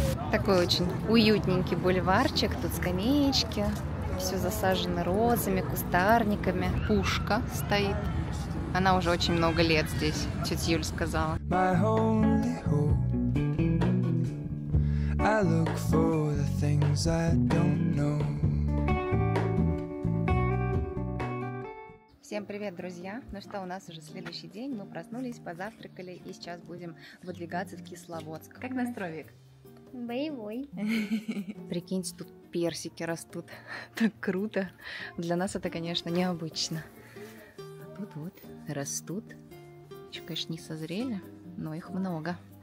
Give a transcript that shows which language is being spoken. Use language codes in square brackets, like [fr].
[ru] Такой очень уютненький бульварчик. Тут скамеечки. Все засажено розами, кустарниками. Пушка стоит. Она уже очень много лет здесь, тетя Юль сказала. [en] I look for the things I don't know. [ru] Всем привет, друзья! Ну что, у нас уже следующий день. Мы проснулись, позавтракали и сейчас будем выдвигаться в Кисловодск. Как настрой, Вик? Боевой. Прикиньте, тут персики растут. Так круто. Для нас это, конечно, необычно. А тут вот растут. Еще, конечно, не созрели, но их много.